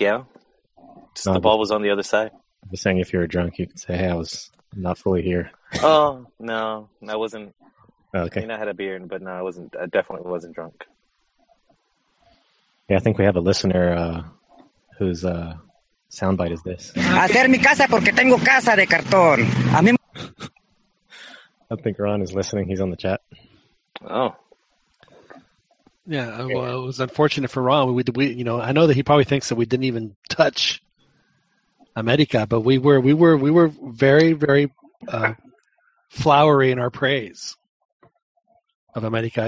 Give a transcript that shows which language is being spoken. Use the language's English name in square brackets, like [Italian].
[English] Yeah, the ball was on the other side. I'm saying, if you were drunk, you could say, "Hey, I was not fully here." Oh no, I wasn't. Okay. I mean, I had a beer, but no, I wasn't. I definitely wasn't drunk. Yeah, I think we have a listener whose soundbite is this. [Spanish] Hacer mi casa porque tengo casa de cartón. [English] I think Ron is listening. He's on the chat. Oh. Yeah, well, it was unfortunate for Ron. We, you know, I know that he probably thinks that we didn't even touch America, but we were very, very flowery in our praise of America.